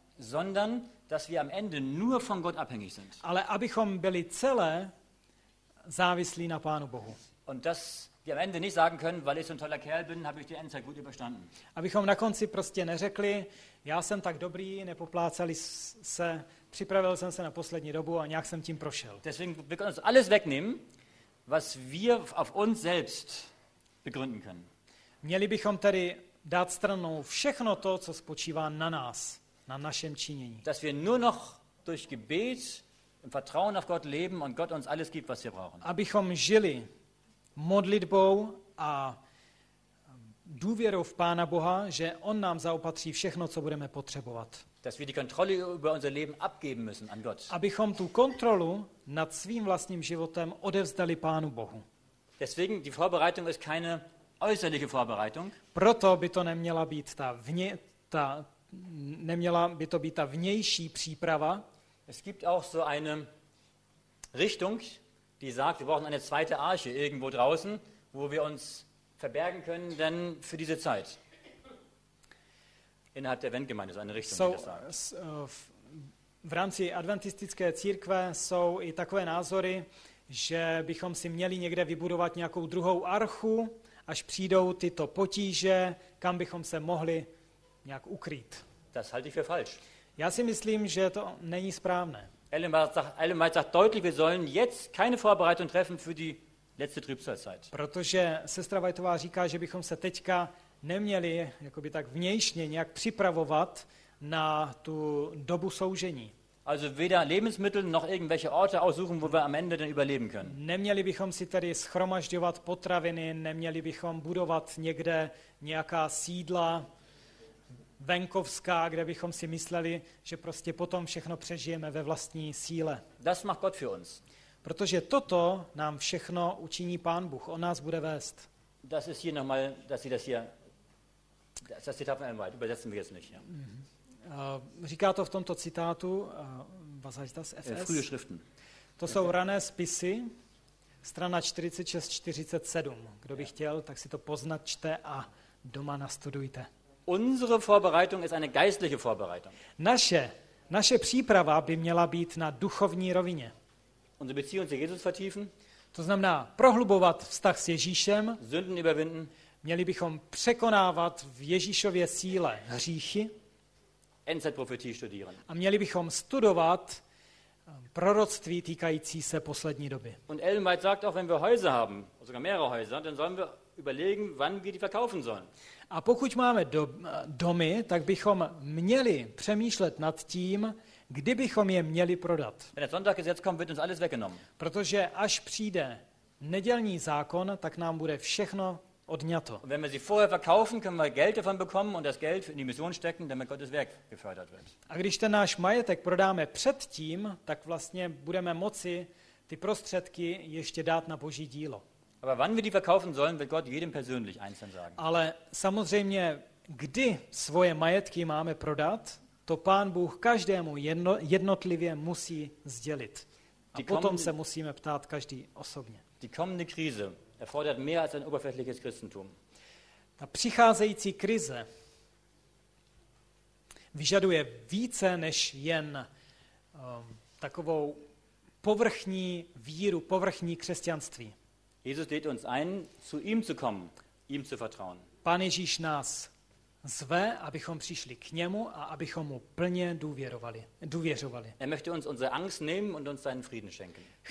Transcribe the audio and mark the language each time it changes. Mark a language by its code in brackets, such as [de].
[de] sondern dass wir am Ende nur von Gott abhängig sind. [cs] Ale abychom byli celé závislí na Pánu Bohu. [de] Und dass wir am Ende nicht sagen können, weil ich so ein toller Kerl bin, habe ich die Endzeit gut überstanden. [cs] Abychom na konci prostě neřekli, já jsem tak dobrý, nepoplácali se, připravil jsem se na poslední dobu a nějak jsem tím prošel. [de] Deswegen wir können uns alles wegnehmen, was wir auf uns selbst begründen können. [cs] Měli bychom tedy dát stranou všechno to, co spočívá na nás, na našem činění. [de] Dass wir nur noch durch Gebet im Vertrauen auf Gott leben und Gott uns alles gibt, was wir brauchen. [cs] Abychom žili modlitbou a důvěrou v Pána Boha, že on nám zaopatří všechno, co budeme potřebovat. [de] Dass wir die Kontrolle über unser Leben abgeben müssen an Gott. [cs] Abychom tu kontrolu nad svým vlastním životem odevzdali Pánu Bohu. [de] Deswegen die Vorbereitung ist keine äußerliche Vorbereitung. [cs] Proto by to neměla být ta vnější příprava. [de] Es gibt auch so eine Richtung, die sagt, wir brauchen eine zweite Arche irgendwo draußen, wo wir uns verbergen können, denn für diese Zeit. Innerhalb der Wendgemeinde ist eine Richtung, die das sagt. [cs] V rámci adventistické církve jsou i takové názory, že bychom si měli někde vybudovat nějakou druhou archu, až přijdou tyto potíže, kam bychom se mohli nějak ukrýt. [de] Das halte ich für falsch. [cs] Já si myslím, že to není správné. [de] Ellen White sagt deutlich, wir sollen jetzt keine Vorbereitung treffen für die letzte Trübsalzeit. [cs] Protože sestra Whiteová říká, že bychom se teďka neměli jakoby tak vnějšně nějak připravovat na tu dobu soužení. [de] Also weder Lebensmittel noch irgendwelche Orte aussuchen, wo wir am Ende dann überleben können. [cs] Neměli bychom si tady schromažďovat potraviny, neměli bychom budovat někde nějaká sídla venkovská, kde bychom si mysleli, že prostě potom všechno přežijeme ve vlastní síle. [de] Das macht Gott für uns. [cs] Protože toto nám všechno učiní Pán Bůh, on nás bude vést. [de] Das ist hier noch mal, dass sie das hier das Zitat von Elmweit übersetzen wir jetzt nicht, ja. [cs] Říká to v tomto citátu, [de] was heißt das, FS? Frühe Schriften. [cs] To jsou rané spisy, strana 46-47. Kdo by chtěl, tak si to poznačte a doma nastudujte. [de] Unsere Vorbereitung ist eine geistliche Vorbereitung. [cs] Naše příprava by měla být na duchovní rovině. [de] Unsere Beziehung zu Jesus vertiefen. [cs] To znamená prohlubovat vztah s Ježíšem. [de] Sünden überwinden. [cs] Měli bychom překonávat v Ježíšově síle hříchy. [de] Endzeitprophetie studieren. [cs] A měli bychom studovat proroctví týkající se poslední doby. [de] Und Ellen White sagt auch, wenn wir Häuser haben, sogar mehrere Häuser, dann sollen wir überlegen, wann wir die verkaufen sollen. [cs] A pokud máme domy, tak bychom měli přemýšlet nad tím, kdy bychom je měli prodat. [de] Wenn der Sonntag jetzt kommt, wird uns alles weggenommen. [cs] Protože až přijde nedělní zákon, tak nám bude všechno odňato. [de] Und wenn wir sie vorher verkaufen, können wir Geld davon bekommen und das Geld in die Mission stecken, damit Gottes Werk gefördert wird. [cs] A když ten náš majetek prodáme předtím, tak vlastně budeme moci ty prostředky ještě dát na Boží dílo. [de] Aber wann wir die verkaufen sollen, wird Gott jedem persönlich einzeln sagen. [cs] Ale samozřejmě, kdy svoje majetky máme prodat, to Pán Bůh každému jednotlivě musí sdělit. A potom se musíme ptát každý osobně. [de] Die kommende Krise erfordert mehr als ein oberflächliches Christentum. [cs] Ta přicházející krize vyžaduje více než jen takovou povrchní víru, povrchní křesťanství. [de] Jesus lädt uns ein, zu ihm zu kommen, ihm zu vertrauen. [cs] Pán Ježíš nás zve, abychom přišli k němu a abychom mu plně důvěřovali. [de] Er möchte uns unsere Angst nehmen und uns seinen Frieden schenken.